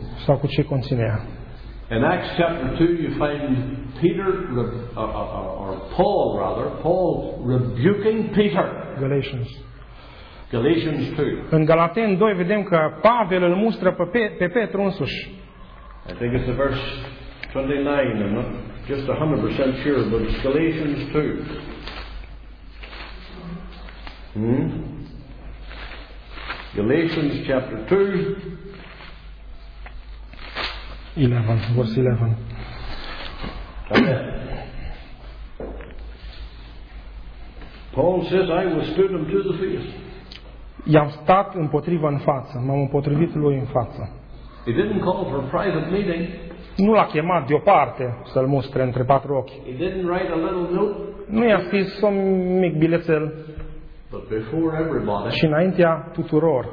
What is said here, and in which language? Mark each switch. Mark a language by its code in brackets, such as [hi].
[ro] Sau cu ce conține ea. [en] In Acts chapter 2 you find Peter or Paul rather, Paul rebuking Peter. Galatians 2. [ro] În Galateni 2 vedem că Pavel îl mustră pe Petru însuși. [en] I think it's the verse 29, I'm not just 100% sure, but it's Galatians 2. Galatians chapter 2. 11, verse 11. Paul says, I withstood him to the face. [ro] I-am stat împotriva în față, m-am împotrivit lui în față. [en] He didn't call for a private meeting. [ro] Nu l-a chemat deoparte să-l mustre între patru ochi. [en] He didn't write a little note. [ro] Nu i-a scris un mic bilețel. [en] But before everybody. [ro] Și înaintea tuturor.